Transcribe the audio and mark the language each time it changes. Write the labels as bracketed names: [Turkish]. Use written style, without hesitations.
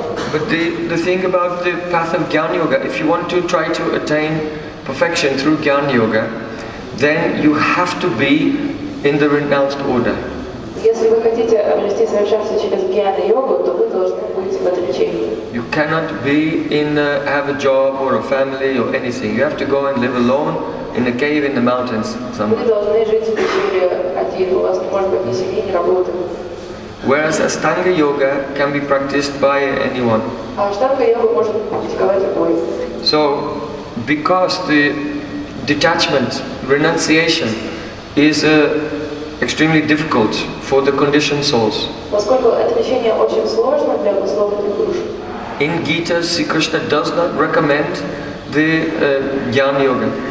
[English] But the thing about the path of Jnana Yoga, if you want to try to attain perfection through Jnana Yoga, then you have to be in the renounced order. [Russian] Если вы хотите обрести совершенство через гьяна йогу, то вы должны быть в отречении. [English] You cannot be in the, have a job or a family or anything. You have to go and live alone in a cave in the mountains somewhere. [Russian] Вы должны жить в пещере один. У вас не может быть ни семьи, ни работы. [English] Whereas Ashtanga yoga can be practiced by anyone. [Russian] Ashtanga yoga может практиковать любой. [English] So, because the detachment, renunciation, is extremely difficult for the conditioned souls. [Russian] Поскольку отречение очень сложно для условленных душ. [English] In Gita, Sri Krishna does not recommend the Jnana yoga.